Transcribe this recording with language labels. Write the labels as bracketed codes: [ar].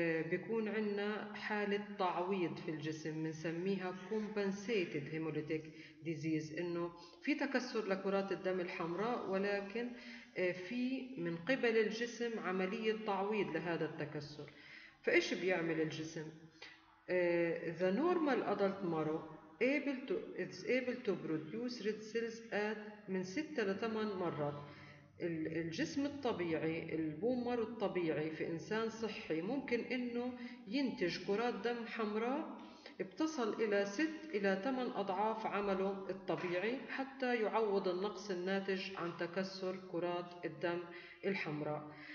[ar] بيكون عنا حالة تعويض في الجسم بنسميها compensated hemolytic disease، إنه في تكسر لكرات الدم الحمراء ولكن في من قبل الجسم عملية تعويض لهذا التكسر. فإيش بيعمل الجسم؟ [en] The normal adult marrow is able to produce red cells at [ar] من 6 إلى 8 مرات. الجسم الطبيعي البومر الطبيعي في إنسان صحي ممكن إنه ينتج كرات دم حمراء بتصل إلى 6 إلى 8 أضعاف عمله الطبيعي حتى يعوض النقص الناتج عن تكسر كرات الدم الحمراء.